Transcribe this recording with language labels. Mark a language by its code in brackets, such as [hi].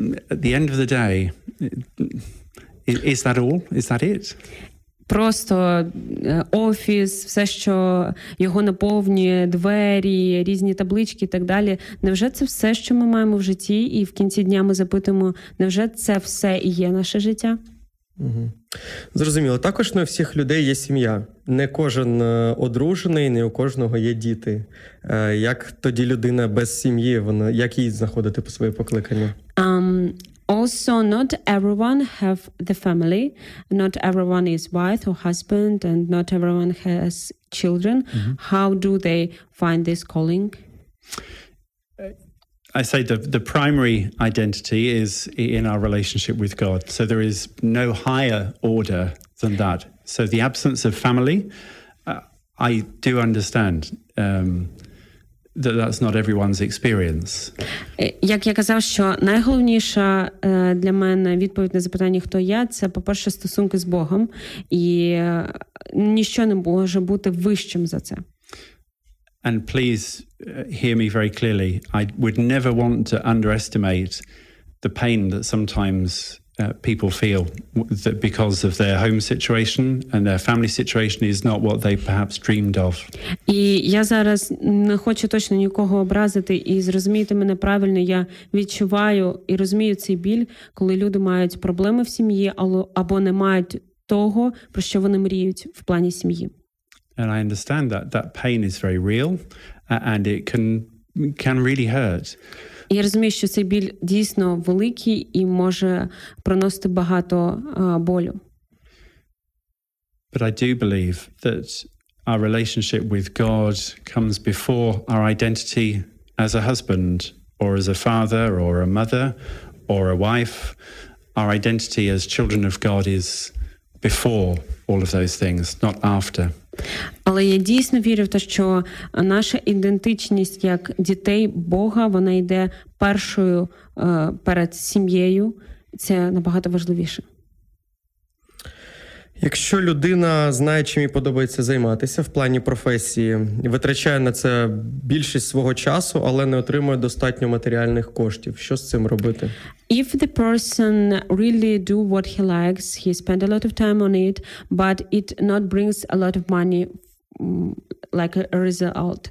[en] At the end of the day, is that all? Is that it? [uk] Просто офіс, все, що його наповнює, двері, різні таблички і так далі. Невже це все, що ми маємо в житті? І в кінці дня ми запитуємо, невже це все і є наше життя? Угу. Зрозуміло. Також не у всіх людей є сім'я. Не кожен одружений, не у кожного є діти. Як тоді людина без сім'ї, вона як їй знаходити по своє покликання? [en] Also, not everyone have the family. Not everyone is wife or husband, and not everyone has children. Mm-hmm. How do they find this calling? I say the primary identity is in our relationship with God. So there is no higher order than that. So the absence of family, I do understand that that's not everyone's experience. [uk] Як я казав, що найголовніша для мене відповідь на запитання, хто я, це, по-перше, стосунки з Богом. І ніщо не може бути вищим за це. [en] And please hear me very clearly. I would never want to underestimate the pain that sometimes people feel that because of their home situation and their family situation is not what they perhaps dreamed of. [uk] І я зараз не хочу точно нікого образити, і зрозумійте мене правильно, я відчуваю і розумію цей біль, коли люди мають проблеми в сім'ї або не мають того, про що вони мріють в плані сім'ї. [en] And I understand that pain is very real, and it can really hurt. [uk] Я розумію, що цей біль дійсно великий і може приносити багато болю. [en] But I do believe that our relationship with God comes before our identity as a husband or as a father or a mother or a wife. Our identity as children of God is before all of those things, not after. [uk] Але я дійсно вірю в те, що наша ідентичність як дітей Бога, вона йде першою перед сім'єю. Це набагато важливіше. Якщо людина знає, чим їй подобається займатися в плані професії, витрачає на це більшість свого часу, але не отримує достатньо матеріальних коштів, що з цим робити? [en] If the person really do what he likes, he spend a lot of time on it, but it not brings a lot of money like a result.